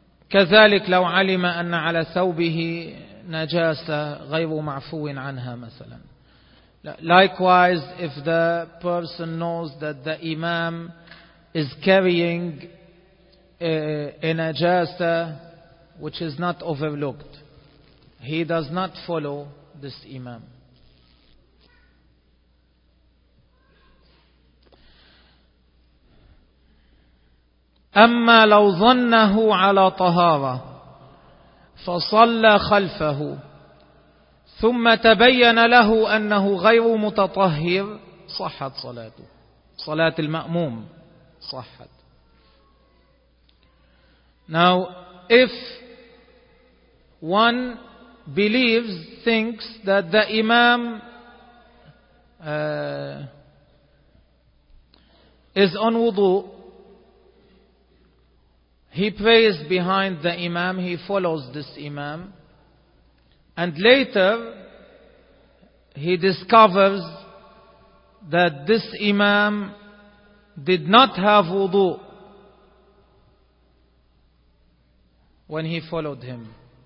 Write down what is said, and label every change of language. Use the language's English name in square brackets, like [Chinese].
[Arabic] كذلك لو علم أن على ثوبه نجاسة غير معفو عنها مثلا. [English] Likewise, if the person knows that the imam is carrying a najasa which is not overlooked, he does not follow this imam. [Arabic] أما لو ظنه على طهارة فصلى خلفه ثم تبين له أنه غير متطهر صحت صلاته, صلاة المأموم صحت. [English] Now if one believes, thinks that the imam is on wudu, he prays behind the imam, he follows this imam, and later he discovers that this imam did not have wudu when he followed him.